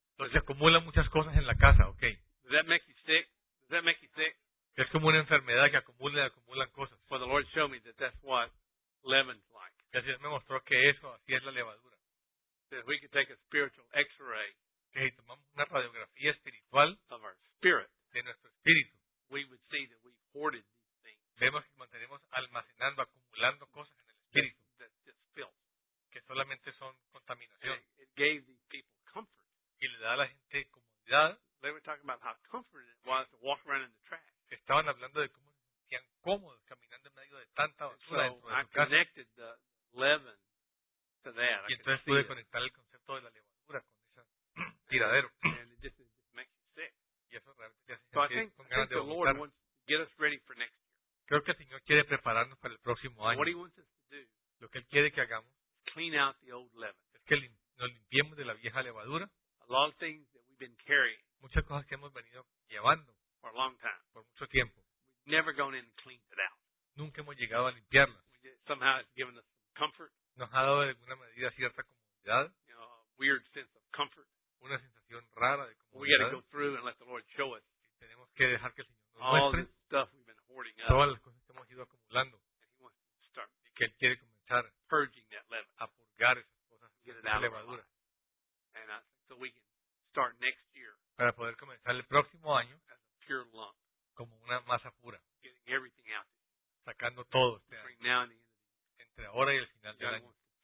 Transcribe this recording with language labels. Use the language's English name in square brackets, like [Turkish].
[Spanish] Los que acumulan muchas cosas en la casa, okay. [English] Does that make you sick? Does that make you sick? [Spanish] Es como una enfermedad que acumula y acumulan cosas. [English] Well, the Lord showed me that that's what leaven's like. [Spanish] Y así me mostró que eso, así es la levadura. [English] That we could take a spiritual X-ray. [Spanish] Que si tomamos una radiografía espiritual [English] of our spirit, [Spanish] de nuestro espíritu, [English] we would see that we hoarded these things. [Spanish] Vemos que mantenemos almacenando, acumulando cosas en el espíritu. [English] That just filled. [Spanish] Que solamente son contaminación. [English] It gave these people comfort. [Spanish] Y le da a la gente comodidad. [English] They were talking about how comforting it was to walk around in the trash. [Spanish] Estaban hablando de cómo se sentían cómodos caminando en medio de tanta basura en tu casa. [English] So I connected the leaven to that. [Spanish] Y entonces pude conectar el concepto de la levadura con ese tiradero. [English] And it just makes you sick. [Spanish] Y eso realmente te hace sentir con ganas de vomitar. [English] So I think the Lord wants to get us ready for next year. [Spanish] Creo que el Señor quiere prepararnos para el próximo año. [English] What he wants us to do. [Spanish] Lo que Él quiere que hagamos. [English] Clean out the old leaven. [Spanish] Es que nos limpiemos de la vieja levadura. [English] A lot of things that we've been carrying. [Spanish] Muchas cosas que hemos venido llevando. [English] For a long time. [Spanish] Por mucho tiempo. [English] We've never gone in and cleaned it out. [Spanish] Nunca hemos llegado a limpiarlas. [English] Somehow it's given us some comfort. [Spanish] Nos ha dado de alguna medida cierta comodidad. [English] You know, a weird sense of comfort. [Spanish] Una sensación rara de comodidad. [English] We've got to go through and let the Lord show us. [Spanish] Y tenemos que dejar que el Señor nos [English] all [Spanish] muestre. [English] All the stuff we've been hoarding [Spanish] todas [English] up. [Spanish] Todas las cosas que hemos ido acumulando. [English] And he wants to start. [Spanish] Y que Él quiere comenzar. [English] Purging that leaven. [Spanish] A purgar esas cosas. [English] Get it out of [Spanish] levadura. [English] And I, so we can start next year. [Spanish] Para poder comenzar el próximo año. Como una masa pura, sacando todo este año, entre ahora y el final del año.